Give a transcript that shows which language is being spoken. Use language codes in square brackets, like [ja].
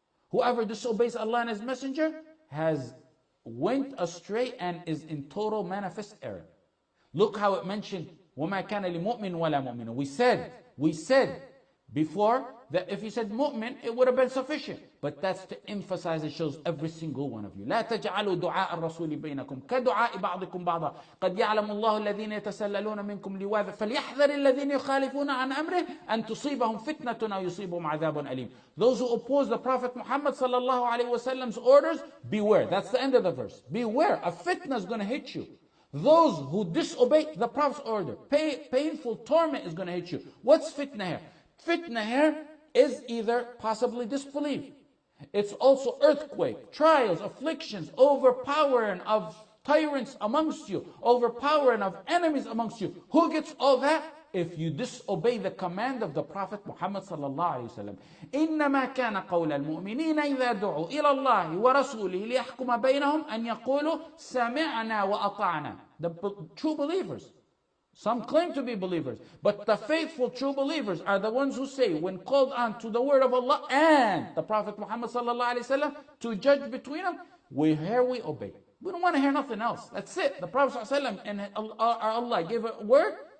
[en] Whoever disobeys Allah and His Messenger has went astray and is in total manifest error. Look how it mentioned, [ar] وَمَا كَانَ لِمُؤْمِنٍ وَلَا مُؤْمِنٍ. [en] We said before that if you said mu'min, it would have been sufficient. But that's to emphasize, it shows every single one of you. [ar] لا تجعلوا دعاء الرسول بينكم كدعاء بعضكم بعضا قد يعلم الله الذين يتسللون منكم لواذا فليحذر الذين يخالفون عن أمره أن تصيبهم فتنة أو يصيبهم عذاب أليم. [en] Those who oppose the Prophet Muhammad صلى الله عليه وسلم's orders, beware. That's the end of the verse. Beware, a fitna is going to hit you. Those who disobey the Prophet's order, painful torment is going to hit you. What's fitna here? Fitna here is either possibly disbelief. It's also earthquake, trials, afflictions, overpowering of tyrants amongst you, overpowering of enemies amongst you. Who gets all that? If you disobey the command of the Prophet Muhammad صلى الله عليه وسلم. [ar] إنما كان قول المؤمنين إذا دعوا إلى الله ورسوله ليحكم بينهم أن يقولوا سمعنا وأطعنا. [en] The true believers. Some claim to be believers, but the faithful true believers are the ones who say, when called on to the word of Allah and the Prophet Muhammad sallallahu alaihi wasallam to judge between them, we hear, we obey. We don't want to hear nothing else. That's it. The Prophet sallallahu alaihi wasallam and Allah gave a word.